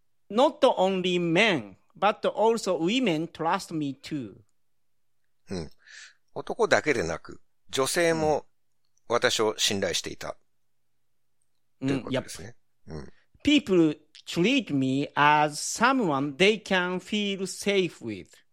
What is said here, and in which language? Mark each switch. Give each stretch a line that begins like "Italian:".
English: Not only men, but also women trust me too.
Japanese: うん。男だけでなく、女性も私を信頼していた。ということですね。うん。
English: People treat me as someone they can feel safe with.